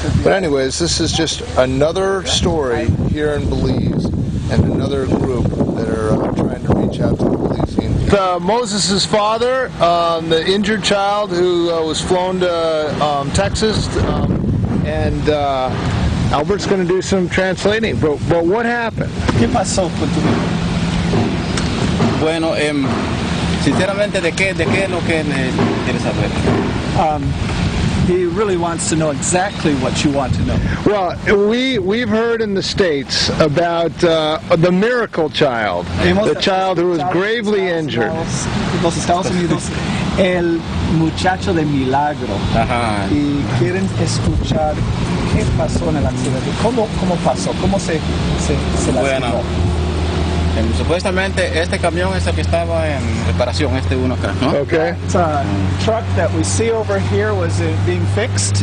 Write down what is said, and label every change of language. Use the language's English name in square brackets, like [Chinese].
[English] But anyways, this is just another story here in Belize, and another group that are trying to reach out to the Belizean. Moses' father, the injured child who was flown to Texas, and Albert's going to do some translating. But what happened? [Spanish] ¿Qué pasó con tu hijo? Bueno, sinceramente, ¿de qué es lo que me quieres saber? [English] He really wants to know exactly what you want to know. Well, we've heard in the States about the miracle child, the child who was gravely injured. [Spanish] Los Estados Unidos, el muchacho de milagro. Y quieren escuchar qué pasó en el accidente. ¿Cómo pasó? ¿Cómo se lastimó? Bueno, supuestamente este camión es el que estaba en reparación, este uno acá, ¿no? Okay. [English] The truck that we see over here was being fixed.